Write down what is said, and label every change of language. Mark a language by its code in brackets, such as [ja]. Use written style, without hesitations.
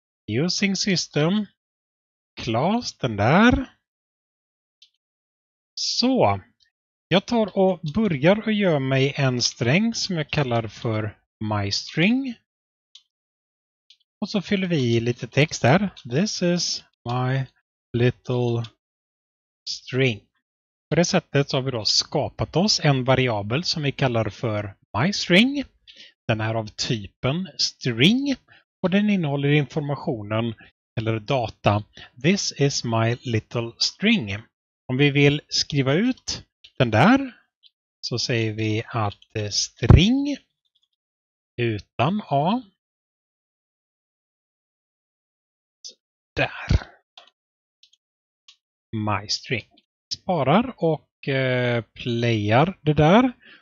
[en] Using system. Class, [sv] den där. Så. Jag tar och börjar och gör mig en sträng som jag kallar för myString. Och så fyller vi i lite text här. [en] This is my little string. [sv] På det sättet så har vi då skapat oss en variabel som vi kallar för myString. Den är av typen string. Och den innehåller informationen eller data. [en] This is my little string. [sv] Om vi vill skriva ut den där så säger vi att string utan a. Där. MyString. Sparar och playar det där.